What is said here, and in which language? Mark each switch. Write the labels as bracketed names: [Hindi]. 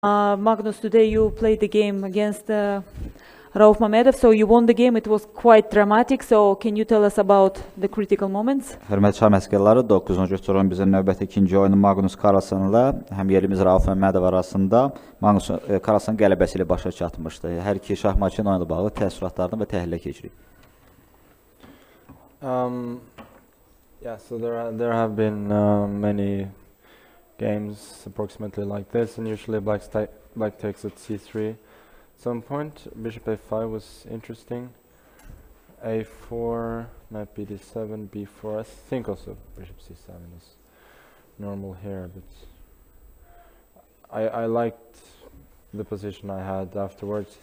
[English] Magnus, today you played the game against Rauf Mamedov, so you won the game. It was quite dramatic. So can you tell us about the critical moments? [Azerbaijani] Hörmətli şah məşqçiləri, 9-cu turun bizim növbəti ikinci oyunu Magnus Carlsen'la həm yerimiz Rauf Mamedov arasında Magnus Carlsen qələbəsi ilə başa çatmışdı. Hər iki şah maçının oyunla bağlı təəssüratlarını və təhlilə keçirik. [English] So there have been many games approximately like this, and usually black takes at c3. Some point, bishop a5 was interesting. A4, knight bd7, b4. I think also bishop c7 is normal here, but I liked the position I had afterwards.